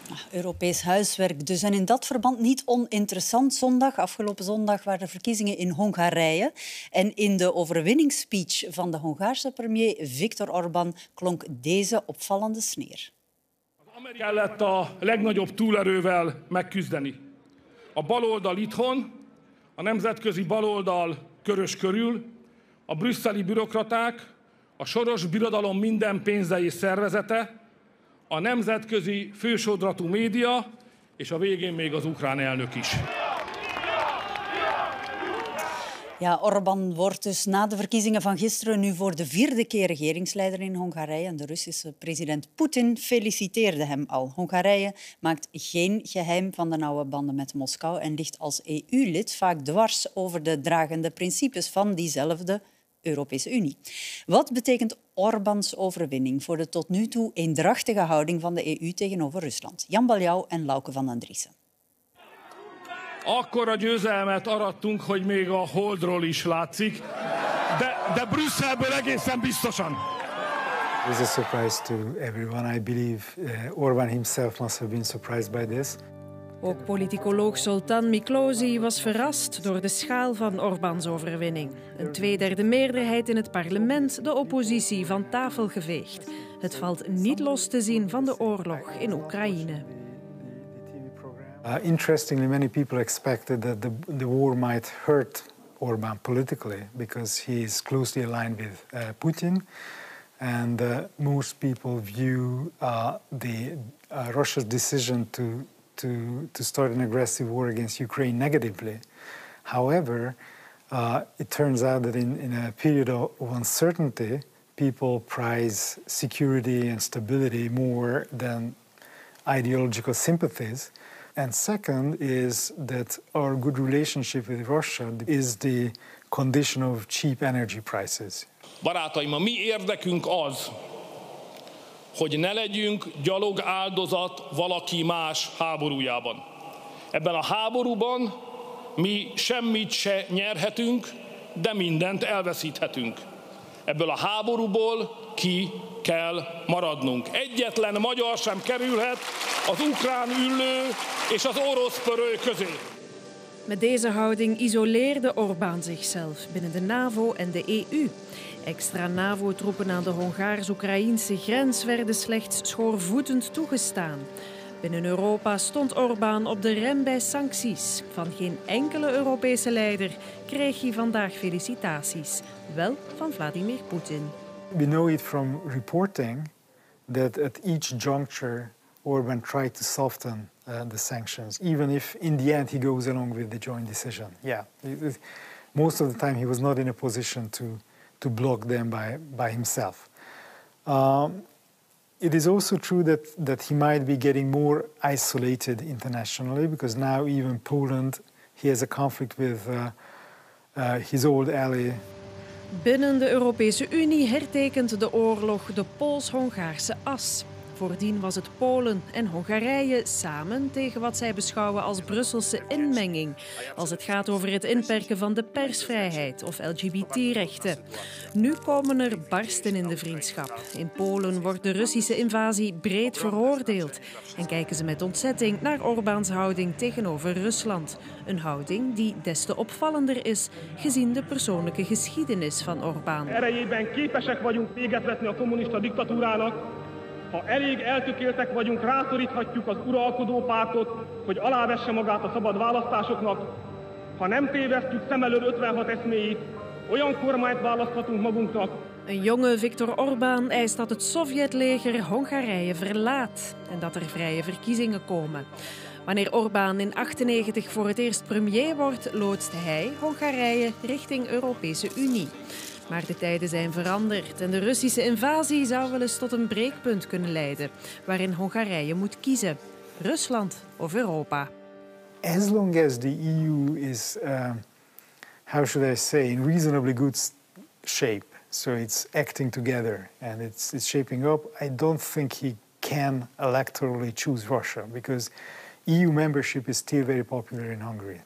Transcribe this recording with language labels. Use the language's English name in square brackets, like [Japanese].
[Dutch] Europees huiswerk dus. En in dat verband niet oninteressant. Zondag, afgelopen zondag, waren de verkiezingen in Hongarije. En in de overwinningsspeech van de Hongaarse premier Viktor Orbán klonk deze opvallende sneer. [Hungarian] Kellett a legnagyobb túlerővel megküzdeni. A baloldal itthon, a nemzetközi baloldal körös körül, a brüsszeli bürokraták, a Soros birodalom minden pénzei szervezete, a nemzetközi fősodratú média, és a végén még az ukrán elnök is. [Dutch] Ja, Orbán wordt dus na de verkiezingen van gisteren nu voor de 4e keer regeringsleider in Hongarije. En de Russische president Poetin feliciteerde hem al. Hongarije maakt geen geheim van de nauwe banden met Moskou en ligt als EU-lid vaak dwars over de dragende principes van diezelfde Europese Unie. Wat betekent Orbáns overwinning voor de tot nu toe eendrachtige houding van de EU tegenover Rusland? Jan Baljouw en Lauke van Andriessen. [Hungarian] Akkora győzelmet arattunk, hogy még a holdról is látszik, de Brüsszelből egészen biztosan. [English] This is a surprise to everyone. I believe Orbán himself must have been surprised by this. [Dutch] Ook politicoloog Zoltán Miklósy was verrast door de schaal van Orbáns overwinning. Een 2/3 meerderheid in het parlement, de oppositie van tafel geveegd. Het valt niet los te zien van de oorlog in Oekraïne. [English] Interestingly, many people expected that the war might hurt Orbán politically because he is closely aligned with Putin. And most people view Russia's decision to start an aggressive war against Ukraine negatively. However, it turns out that in a period of uncertainty, people prize security and stability more than ideological sympathies. And second is that our good relationship with Russia is the condition of cheap energy prices. [Hungarian] Barátaim, a mi érdekünk az, hogy ne legyünk gyalog áldozat valaki más háborújában. Ebben a háborúban mi semmit se nyerhetünk, de mindent elveszíthetünk. Ebből a háborúból ki kell maradnunk. Egyetlen magyar sem kerülhet az ukrán üllő és az orosz pörő közé. [Dutch] Met deze houding isoleerde Orbán zichzelf binnen de NAVO en de EU. Extra NAVO-troepen aan de Hongaars-Oekraïnse grens werden slechts schoorvoetend toegestaan. Binnen Europa stond Orbán op de rem bij sancties. Van geen enkele Europese leider kreeg hij vandaag felicitaties. Wel van Vladimir Poetin. [English] We know it from reporting that at each juncture Orbán tried to soften the sanctions, even if in the end he goes along with the joint decision. Yeah, most of the time he was not in a position to block them by himself. It is also true that he might be getting more isolated internationally, because now even Poland, he has a conflict with his old ally. [Dutch] Binnen de Europese Unie hertekent de oorlog de Pools-Hongaarse as. Voordien was het Polen en Hongarije samen tegen wat zij beschouwen als Brusselse inmenging, als het gaat over het inperken van de persvrijheid of LGBT-rechten. Nu komen er barsten in de vriendschap. In Polen wordt de Russische invasie breed veroordeeld en kijken ze met ontzetting naar Orbáns houding tegenover Rusland. Een houding die des te opvallender is gezien de persoonlijke geschiedenis van Orbán. [Hungarian] Erejében képesek vagyunk véget vetni a kommunista diktatúrának. Ha elég eltökéltek vagyunk, rászoríthatjuk az uralkodó pártot, hogy alávesse magát a szabad választásoknak. Ha nem tévesztjük szem előtt 56 eszméjét, olyan kormányt választhatunk magunknak. [Dutch] Een jonge Viktor Orbán eist dat het Sovjetleger Hongarije verlaat en dat er vrije verkiezingen komen. Wanneer Orbán in 98 voor het eerst premier wordt, loodst hij Hongarije richting Europese Unie. Maar de tijden zijn veranderd en de Russische invasie zou wel eens tot een breekpunt kunnen leiden, waarin Hongarije moet kiezen: Rusland of Europa. [English] As long as the EU is, how should I say, in reasonably good shape, so it's acting together and it's shaping up, I don't think he can electorally choose Russia, because EU membership is still very popular in Hungary.